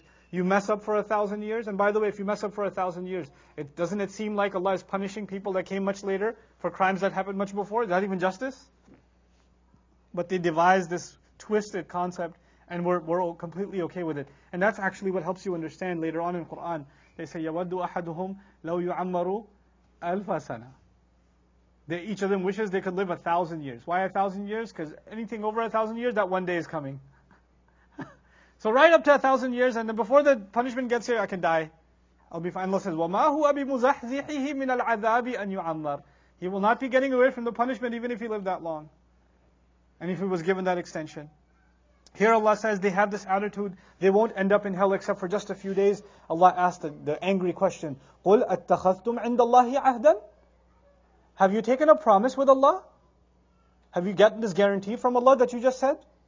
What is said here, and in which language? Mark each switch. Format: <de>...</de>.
<en>You mess up for 1,000 years. And by the way, if you mess up for 1,000 years, doesn't it seem like Allah is punishing people that came much later for crimes that happened much before? Is that even justice? But they devised this twisted concept and we're all completely okay with it. And that's actually what helps you understand later on in the Quran. They say,</en> <ar>يَوَدُّ أَحَدُهُمْ لَوْ يُعَمَّرُوا أَلْفَ سَنَةً.</ar> <en>Each of them wishes they could live 1,000 years. Why 1,000 years? Because anything over 1,000 years, that one day is coming. So right up to 1,000 years, and then before the punishment gets here, I can die. I'll be fine. Allah says,</en> <ar>وَمَا هُوَ بِمُزَحْزِحِهِ مِنَ الْعَذَابِ أَنْ يُعَمَّرُ.</ar> <en>He will not be getting away from the punishment even if he lived that long. And if he was given that extension. Here Allah says they have this attitude, they won't end up in hell except for just a few days. Allah asked the angry question,</en> <ar>قُلْ أَتَّخَذْتُمْ عِنْدَ اللَّهِ عَهْدًا.</ar> <en>Have you taken a promise with Allah? Have you gotten this guarantee from Allah that you just said?</en>